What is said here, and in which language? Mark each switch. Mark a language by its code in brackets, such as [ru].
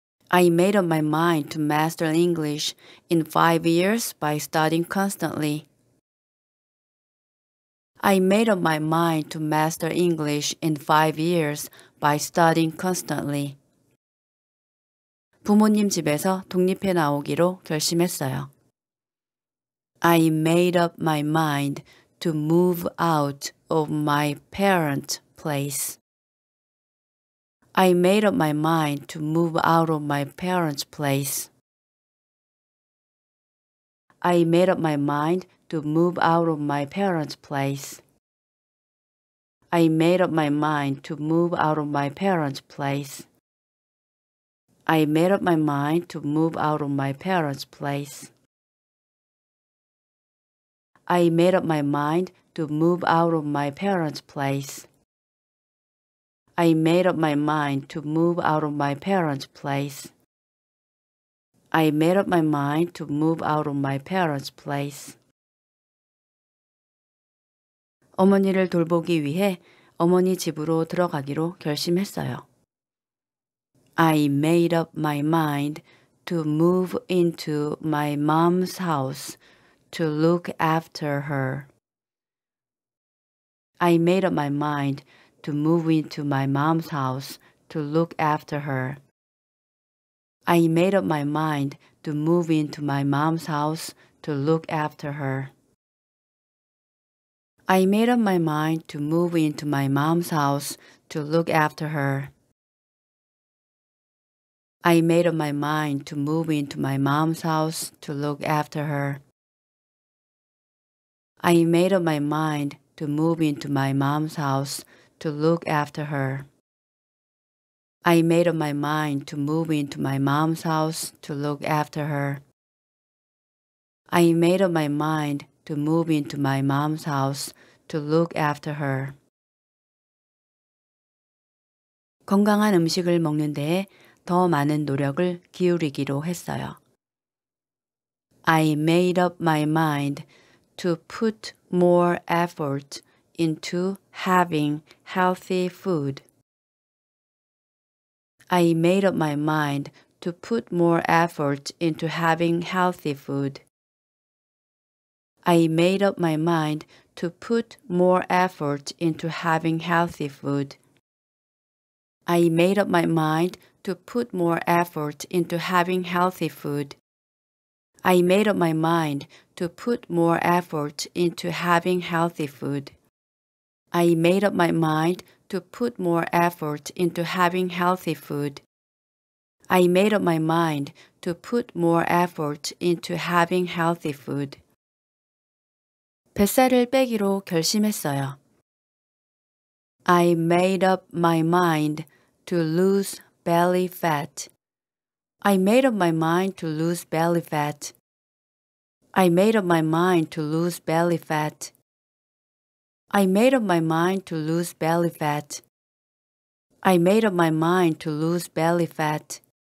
[en] I made up my mind to master English in 5 years by studying constantly. I made up my mind to master English in 5 years by studying constantly. [ko] 부모님 집에서 독립해 나오기로 결심했어요. [en] I made up my mind to move out of my parents' place. I made up my mind to move out of my parents' place. I made up my mind to move out of my parents' place. I made up my mind to move out of my parents' place. I made up my mind to move out of my parents' place. I made up my mind to move out of my parents' place. I made up my mind to move out of my parents' place. I made up my mind to move out of my parents' place. [ko] 어머니를 돌보기 위해 어머니 집으로 들어가기로 결심했어요. [en] I made up my mind to move into my mom's house to look after her. I made up my mind to move into my mom's house to look after her. I made up my mind to move into my mom's house to look after her. I made up my mind to move into my mom's house to look after her. I made up my mind to move into my mom's house to look after her. I made up my mind to move into my mom's house to look after her. I made up my mind to move into my mom's house to look after her. I made up my mind to move into my mom's house to look after her. [ko] 건강한 음식을 먹는 데에 더 많은 노력을 기울이기로 했어요. [en] I made up my mind to put more effort into having healthy food. I made up my mind to put more effort into having healthy food. I made up my mind to put more effort into having healthy food. I made up my mind to put more effort into having healthy food. I made up my mind to put more effort into having healthy food. I made up my mind to put more effort into having healthy food. I made up my mind to put more effort into having healthy food. [ko] 뱃살을 빼기로 결심했어요. [en] I made up my mind to lose belly fat. I made up my mind to lose belly fat. I made up my mind to lose belly fat. I made up my mind to lose belly fat. I made up my mind to lose belly fat.